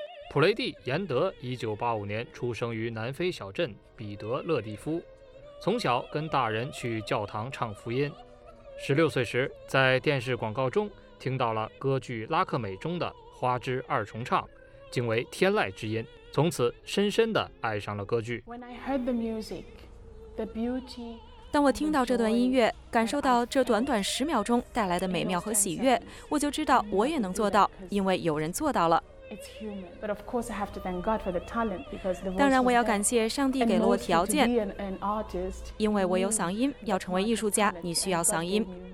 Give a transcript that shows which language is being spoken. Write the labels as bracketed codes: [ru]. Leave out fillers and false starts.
[zh] 普雷蒂·严德，1985年出生于南非小镇彼得勒蒂夫，从小跟大人去教堂唱福音。16岁时，在电视广告中听到了歌剧《拉克美》中的《花之二重唱》，惊为天籁之音，从此深深地爱上了歌剧。 [en] When I heard the music, the beauty... [zh] 当我听到这段音乐，感受到这短短十秒钟带来的美妙和喜悦，我就知道我也能做到，因为有人做到了。当然我要感谢上帝给了我条件，因为我有嗓音，要成为艺术家你需要嗓音。